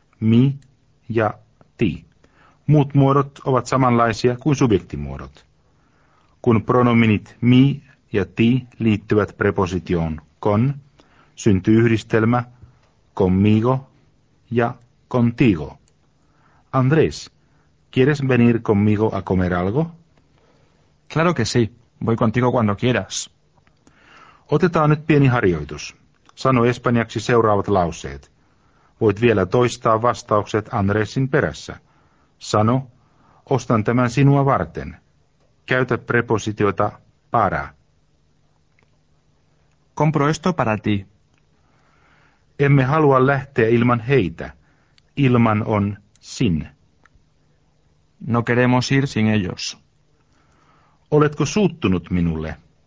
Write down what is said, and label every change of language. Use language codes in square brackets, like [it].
[fi] Mi ja ti. Muut muodot ovat samanlaisia kuin subjektimuodot. Kun pronominit mi ja ti liittyvät prepositioon con, syntyy yhdistelmä conmigo ja contigo. [es] Andrés, ¿quieres venir conmigo a comer algo? Claro que sí. Voy contigo cuando quieras. [fi] Otetaan nyt pieni harjoitus. Sano espanjaksi seuraavat lauseet. Voit vielä toistaa vastaukset Andrésin perässä. Sano, ostan tämän sinua varten. Käytä prepositiota para. [es] Compro esto para ti. [fi] Emme halua lähteä ilman heitä. Ilman on sin. [es] No queremos ir sin ellos. [fi] Oletko suuttunut minulle?